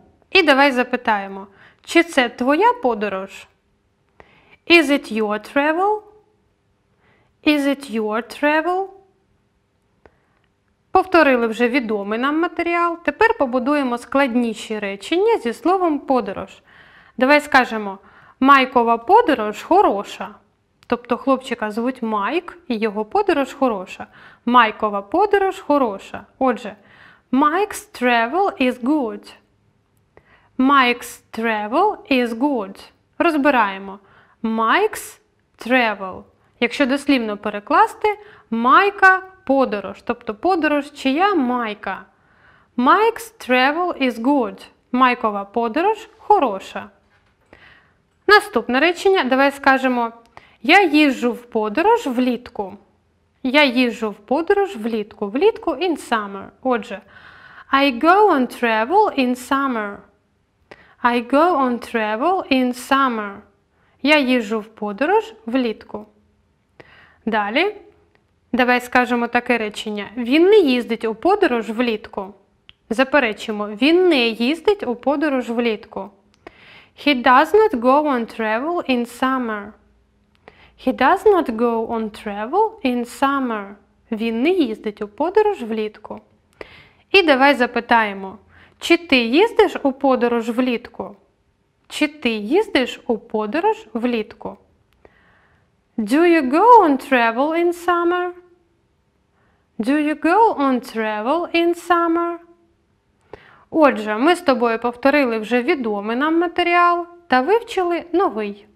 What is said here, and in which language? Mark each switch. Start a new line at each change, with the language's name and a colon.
Ukrainian: І давай запитаємо, чи це твоя подорож?
English: Is it your travel? Is it your travel?
Ukrainian: Повторили вже відомий нам матеріал. Тепер побудуємо складніші речення зі словом подорож. Давай скажемо, Майкова подорож хороша. Тобто хлопчика звуть Майк і його подорож хороша. Майкова подорож хороша. Отже,
English: Mike's travel is good. Mike's travel is good.
Ukrainian: Розбираємо.
English: Mike's travel.
Ukrainian: Якщо дослівно перекласти, Майка подорож, тобто подорож чия Майка.
English: Mike's travel is good.
Ukrainian: Майкова подорож хороша. Наступне речення, давай скажемо, я їжджу в подорож влітку. Я їжджу в подорож влітку. Влітку
English: – in summer.
Ukrainian: Отже,
English: I go on travel in summer. I go on travel in summer.
Ukrainian: Я їжджу в подорож влітку. Далі, давай скажемо таке речення. Він не їздить у подорож влітку. Заперечимо, він не їздить у подорож влітку.
English: He does not go on travel in summer. He does not go on travel in summer.
Ukrainian: Він не їздить у подорож влітку. І давай запитаємо, чи ти їздиш у подорож влітку? Чи ти їздиш у подорож влітку?
English: Do you go on travel in summer? Do you go on travel in summer?
Ukrainian: Отже, ми з тобою повторили вже відомий нам матеріал та вивчили новий.